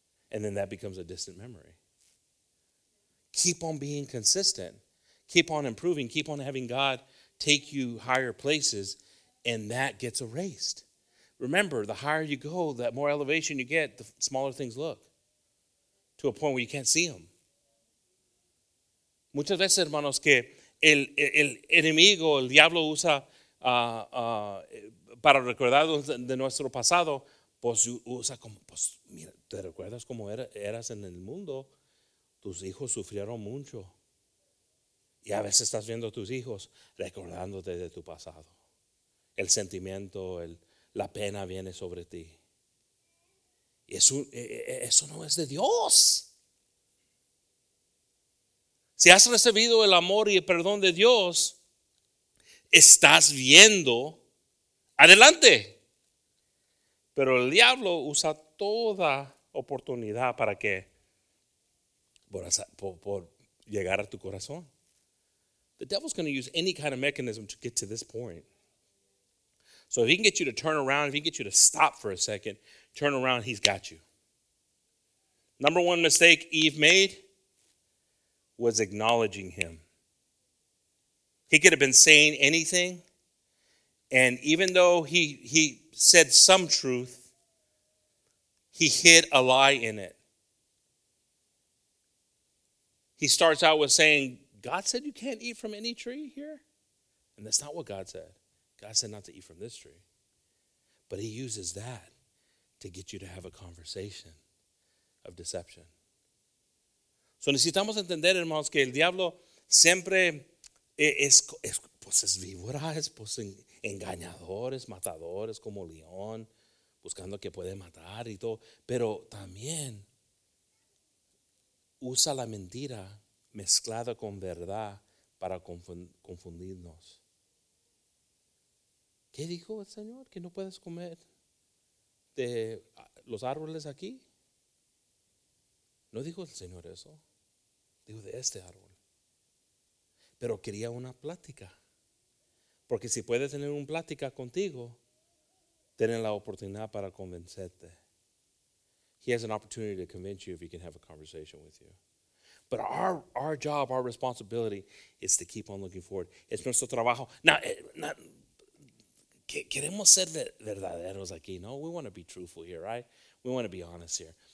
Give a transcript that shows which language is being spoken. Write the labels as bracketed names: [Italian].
[English] And then that becomes a distant memory. Keep on being consistent. Keep on improving. Keep on having God take you higher places, and that gets erased. Remember, the higher you go, the more elevation you get, the smaller things look to a point where you can't see them. [Spanish] Muchas veces, hermanos, que el enemigo, el diablo usa para recordar de nuestro pasado, pues usa como, pues mira, ¿te recuerdas cómo eras en el mundo? Tus hijos sufrieron mucho. Y a veces estás viendo a tus hijos recordándote de tu pasado. El sentimiento, la pena viene sobre ti. Y eso no es de Dios. Si has recibido el amor y el perdón de Dios, estás viendo adelante. Pero el diablo usa toda oportunidad para que por llegar a tu corazón. [English] The devil's going to use any kind of mechanism to get to this point. So if he can get you to turn around, if he can get you to stop for a second, turn around, he's got you. Number one mistake Eve made was acknowledging him. He could have been saying anything, and even though he said some truth, he hid a lie in it. He starts out with saying, God said you can't eat from any tree here. And that's not what God said. God said not to eat from this tree. But he uses that to get you to have a conversation of deception. [Spanish] So necesitamos entender, hermanos, que el diablo siempre es víbora, es engañador, es matador, es como león, buscando que puede matar y todo. Pero también usa la mentira mezclada con verdad para confundirnos. ¿Qué dijo el Señor? ¿Que no puedes comer de los árboles aquí? No dijo el Señor eso. Dijo de este árbol. Pero quería una plática. Porque si puede tener una plática contigo, tiene la oportunidad para convencerte. [English] He has an opportunity to convince you if he can have a conversation with you. But our job, our responsibility is to keep on looking forward. [Spanish] Es nuestro trabajo. Queremos ser verdaderos aquí, no? [English] We want to be truthful here, right? We want to be honest here.